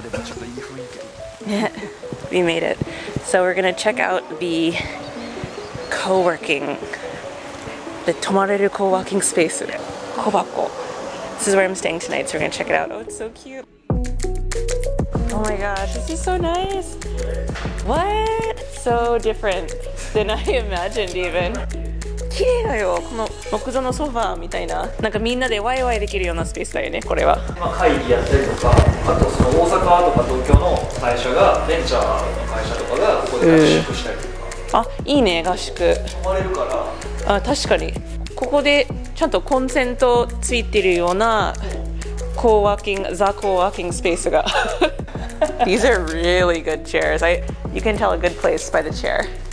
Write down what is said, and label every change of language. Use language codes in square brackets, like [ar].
[ja] いいところです。なんか一回新聞に紹介された時に、ここに行列ができて、今にもすごいなんていうの、みずみずしいグリーンで、そうだね、なんかちょっとこの雨の中でもちょっといい雰囲気。 [en] We made it. So we're gonna check out the co-working, the [ja] 泊まれる [en] co-working space, 小箱. This is where I'm staying tonight, so we're gonna check it out. Oh, it's so cute. Oh my gosh, this is so nice. What? So different than I imagined even. [ja] きれいだよ、この木造のソファーみたいな。なんかみんなでワイワイできるようなスペースだよね、これは。今会議やったりとか、あとその大阪とか東京の会社が、ベンチャーの会社とかがここで合宿したりとか。あ、いいね、合宿。泊まれるから。あ、確かに。ここでちゃんとコンセント付いてるようなコーワーキング、ザコーワーキングスペースが。 [en] These are really good chairs. You can tell a good place by the chair.